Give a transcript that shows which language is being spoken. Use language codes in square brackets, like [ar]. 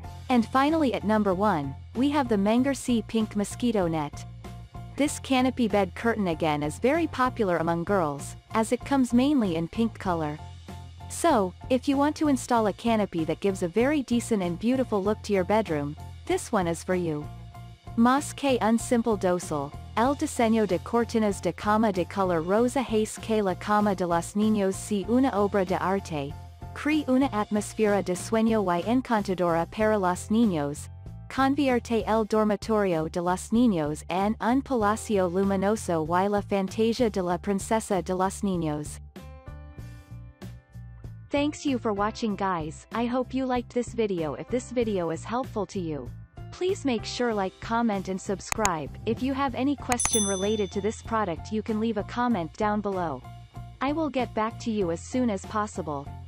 [en] And finally at number 1, we have the Mengersi Pink Mosquito Net. This canopy bed curtain again is very popular among girls, as it comes mainly in pink color. So, if you want to install a canopy that gives a very decent and beautiful look to your bedroom, this one is for you. [es] Mas que un simple dosel, el diseño de cortinas de cama de color rosa hace que la cama de los niños sea una obra de arte, cree una atmosfera de sueño y encantadora para los niños, convierte el dormitorio de los niños en un palacio luminoso y la fantasía de la princesa de los niños. [en] Thanks you for watching guys, I hope you liked this video. If this video is helpful to you, please make sure like, comment and subscribe. If you have any question related to this product, you can leave a comment down below. I will get back to you as soon as possible.